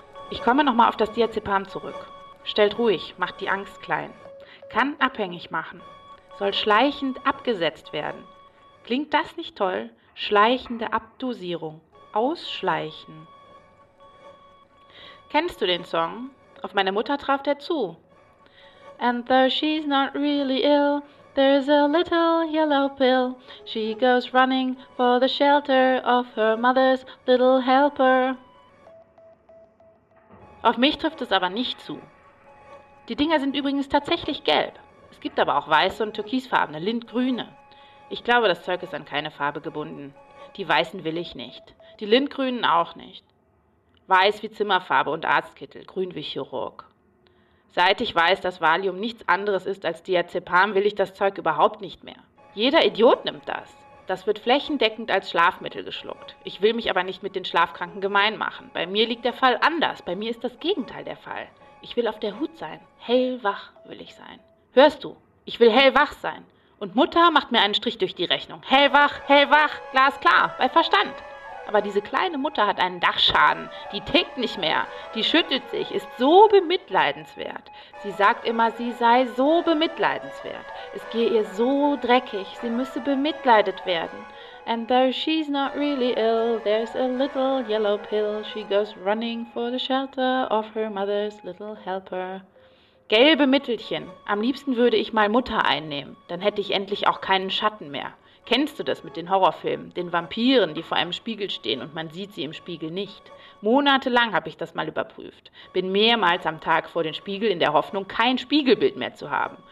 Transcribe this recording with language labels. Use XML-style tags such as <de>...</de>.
<de>Ich komme nochmal auf das Diazepam zurück. Stellt ruhig, macht die Angst klein. Kann abhängig machen. Soll schleichend abgesetzt werden. Klingt das nicht toll? Schleichende Abdosierung. Ausschleichen. Kennst du den Song? Auf meine Mutter traf der zu.</de> <en>And though she's not really ill, there's a little yellow pill. She goes running for the shelter of her mother's little helper.</en> <de>Auf mich trifft es aber nicht zu. Die Dinger sind übrigens tatsächlich gelb. Es gibt aber auch weiße und türkisfarbene, lindgrüne. Ich glaube, das Zeug ist an keine Farbe gebunden. Die weißen will ich nicht. Die lindgrünen auch nicht. Weiß wie Zimmerfarbe und Arztkittel, grün wie Chirurg. Seit ich weiß, dass Valium nichts anderes ist als Diazepam, will ich das Zeug überhaupt nicht mehr. Jeder Idiot nimmt das. Das wird flächendeckend als Schlafmittel geschluckt. Ich will mich aber nicht mit den Schlafkranken gemein machen. Bei mir liegt der Fall anders. Bei mir ist das Gegenteil der Fall. Ich will auf der Hut sein. Hellwach will ich sein. Hörst du? Ich will hellwach sein. Und Mutter macht mir einen Strich durch die Rechnung. Hellwach, hellwach, glasklar, bei Verstand. Aber diese kleine Mutter hat einen Dachschaden. Die tickt nicht mehr. Die schüttelt sich, ist so bemitleidenswert. Sie sagt immer, sie sei so bemitleidenswert. Es gehe ihr so dreckig, sie müsse bemitleidet werden.</de> <en>And though she's not really ill, there's a little yellow pill. She goes running for the shelter of her mother's little helper.</en> <de>Gelbe Mittelchen. Am liebsten würde ich mal Mutter einnehmen. Dann hätte ich endlich auch keinen Schatten mehr. Kennst du das mit den Horrorfilmen, den Vampiren, die vor einem Spiegel stehen und man sieht sie im Spiegel nicht? Monatelang habe ich das mal überprüft. Bin mehrmals am Tag vor den Spiegel in der Hoffnung, kein Spiegelbild mehr zu haben.</de>